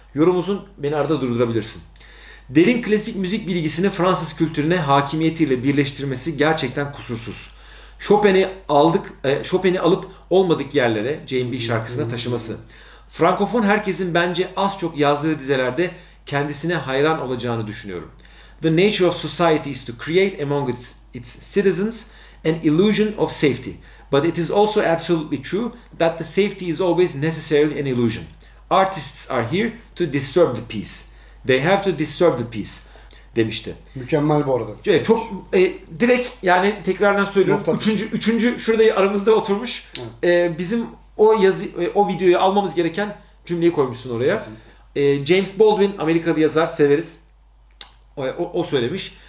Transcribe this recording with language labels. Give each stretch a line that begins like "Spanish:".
Turkish: Yorum uzun, beni arada durdurabilirsin. Derin klasik müzik bilgisini Fransız kültürüne hakimiyetiyle birleştirmesi gerçekten kusursuz. Chopin'i alıp olmadık yerlere J&B şarkısına taşıması. Frankofon herkesin bence az çok yazdığı dizelerde kendisine hayran olacağını düşünüyorum.
English: The nature of society is to create among its citizens an illusion of safety. But it is also absolutely true that the safety is always necessarily an illusion. Artists are here to disturb the peace. They have to disturb the peace.
Turkish: Demişti. Mükemmel bu arada. Çok direkt yani tekrardan söylüyorum. Üçüncü şurada aramızda oturmuş. Bizim o videoyu almamız gereken cümleyi koymuşsun oraya. James Baldwin, Amerikalı yazar, severiz. O söylemiş.